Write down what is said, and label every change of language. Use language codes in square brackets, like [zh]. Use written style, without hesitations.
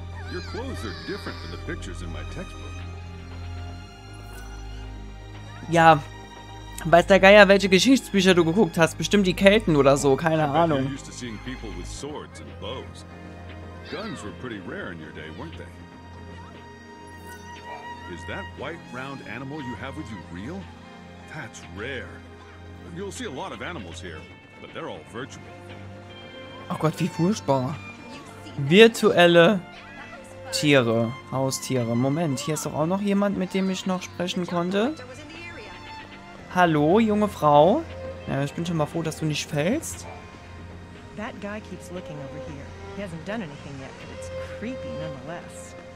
[en] Your clothes are different than the pictures in my textbook. [de] Ja, weiß der Geier, welche Geschichtsbücher du geguckt hast. Bestimmt die Kelten oder so, keine Ahnung. [en] You're used to seeing people with swords and bows. Guns were pretty rare in your day, weren't they? Is that white round animal you have with you real? That's rare. You'll see a lot of animals here, but they're all virtual. [de] Oh Gott, wie furchtbar. Virtuelle Tiere, Haustiere. Moment, hier ist doch auch noch jemand, mit dem ich noch sprechen konnte. Hallo, junge Frau. Ja, ich bin schon mal froh, dass du nicht fällst. [en] That guy keeps looking over here. He hasn't done anything yet, but it's creepy nonetheless.